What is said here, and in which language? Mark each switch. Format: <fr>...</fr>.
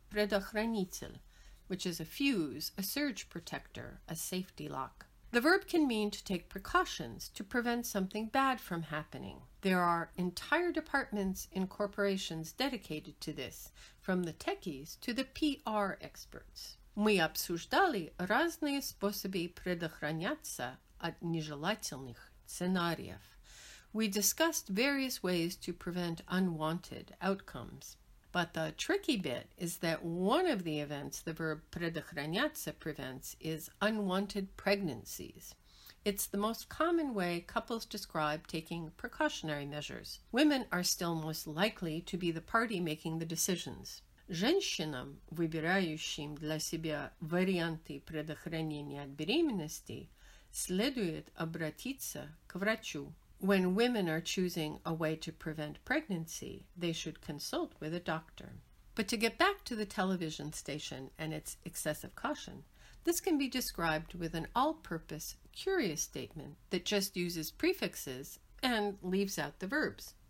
<en>Предохранитель, which is a fuse, a surge protector, a safety lock. The verb can mean to take precautions to prevent something bad from happening. There are entire departments in corporations dedicated to this, from the techies to the PR experts.</en> <ru>Мы обсуждали разные способы предохраняться от нежелательных сценариев.</ru> <en>We discussed various ways to prevent unwanted outcomes. But the tricky bit is that one of the events the verb предохраняться prevents is unwanted pregnancies. It's the most common way couples describe taking precautionary measures. Women are still most likely to be the party making the decisions.</en> <ru>Женщинам, выбирающим для себя варианты предохранения от беременности, следует обратиться к врачу.</ru> <en>When women are choosing a way to prevent pregnancy, they should consult with a doctor. But to get back to the television station and its excessive caution, this can be described with an all-purpose, curious statement that just uses prefixes and leaves out the verbs.</en>